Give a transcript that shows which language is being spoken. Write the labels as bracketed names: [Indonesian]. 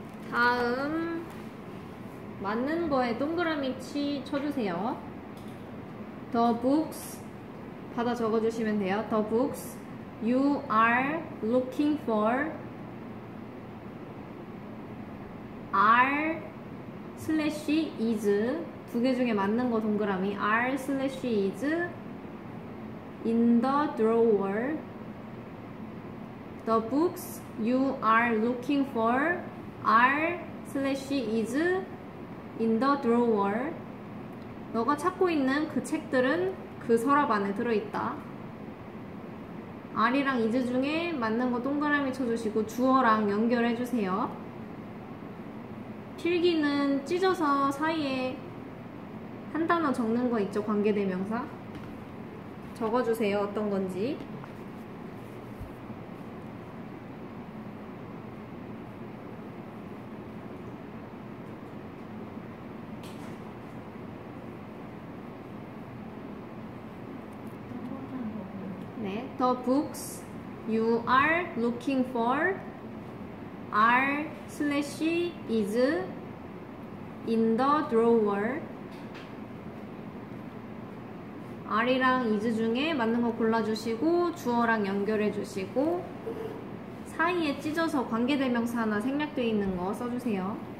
[Korean] 다음 맞는 거에 동그라미 쳐주세요. [English] The books [Korean] 받아 적어주시면 돼요. [English] The books you are looking for are / is [Korean] 두 개 중에 맞는 거 동그라미 [English] are / is in the drawer. The books you are looking for are/is in the drawer. [Korean] 너가 찾고 있는 그 책들은 그 서랍 안에 들어있다. are이랑 is 중에 맞는 거 동그라미 쳐주시고 주어랑 연결해주세요. 필기는 찢어서 사이에 한 단어 적는 거 있죠? 관계대명사? 적어주세요. 어떤 건지. 네. [English] The books you are looking for are / is in the drawer. [Korean] are이랑 is 중에 맞는 거 골라주시고 주어랑 연결해주시고 사이에 찢어서 관계대명사나 생략되어 있는 거 써주세요.